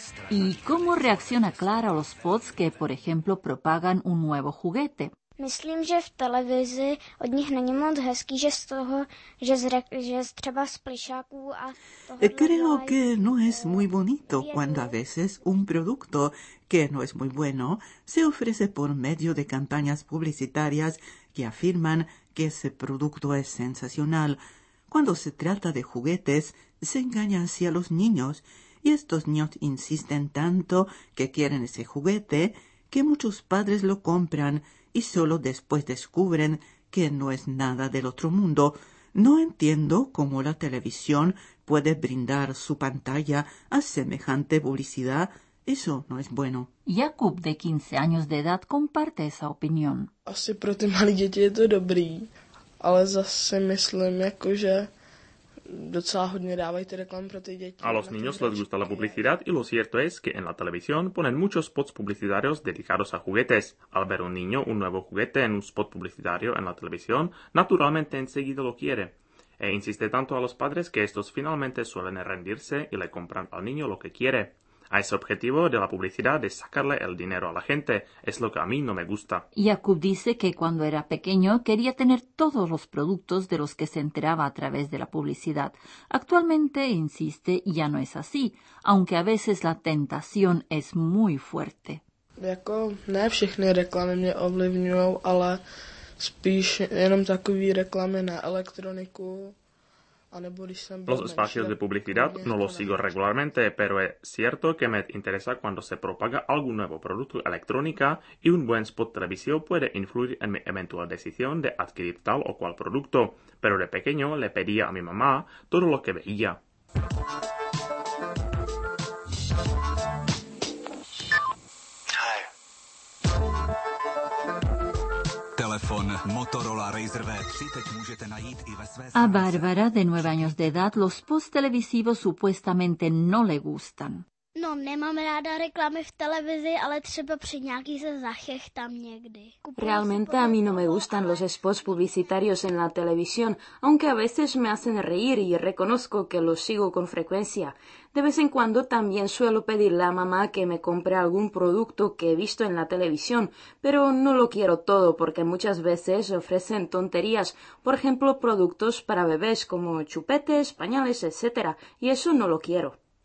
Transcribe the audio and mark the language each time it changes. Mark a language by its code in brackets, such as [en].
[es] ¿Y cómo reacciona Clara a los spots que, por ejemplo, propagan un nuevo juguete? [cs] Myslím, že v televizi od nich není moc hezký, že z toho, že třeba z plišáků a tohle... [es] Creo que no es muy bonito cuando a veces un producto que no es muy bueno se ofrece por medio de campañas publicitarias que afirman que ese producto es sensacional. Cuando se trata de juguetes, se engaña así a los niños, y estos niños insisten tanto que quieren ese juguete que muchos padres lo compran y solo después descubren que no es nada del otro mundo. No entiendo cómo la televisión puede brindar su pantalla a semejante publicidad. Eso no es bueno. Jakub, de 15 años de edad, comparte esa opinión. [cs] Asi pro ty malí děti je to dobrý. Ale zase myslím, jakože docela hodně dávají ty reklamy pro ty děti. [es] A los niños les gusta la publicidad y lo cierto es que en la televisión ponen muchos spots publicitarios dedicados a juguetes. Al ver un niño un nuevo juguete en un spot publicitario en la televisión, naturalmente enseguida lo quiere. E insiste tanto a los padres que estos finalmente suelen rendirse y le compran al niño lo que quiere. A ese objetivo de la publicidad de sacarle el dinero a la gente es lo que a mí no me gusta. Jakub dice que cuando era pequeño quería tener todos los productos de los que se enteraba a través de la publicidad. Actualmente, insiste, ya no es así, aunque a veces la tentación es muy fuerte. [cs] Jako ne všechny reklamy mě ovlivňujou, ale spíš jenom takový reklamy na elektroniku. [es] Los espacios de publicidad no los sigo regularmente, pero es cierto que me interesa cuando se propaga algún nuevo producto electrónica y un buen spot televisivo puede influir en mi eventual decisión de adquirir tal o cual producto. Pero de pequeño le pedía a mi mamá todo lo que veía. [cs] Motorola Razr V3 teď můžete najít i ve své... [es] A Bárbara, de 9 años de edad, los post televisivos supuestamente no le gustan. [cs] No, nemám ráda reklamy v televizi, ale třeba při nějaký se zachechtám někdy. [es] Realmente a mí no me gustan los spots publicitarios en la televisión, aunque a veces me hacen reír y reconozco que los sigo con frecuencia. De vez en cuando también suelo pedirle a mamá que me compre algún producto que he visto en la televisión, pero no lo quiero todo porque muchas veces ofrecen tonterías, por ejemplo productos para bebés como chupetes, pañales, etcétera, y eso no lo quiero.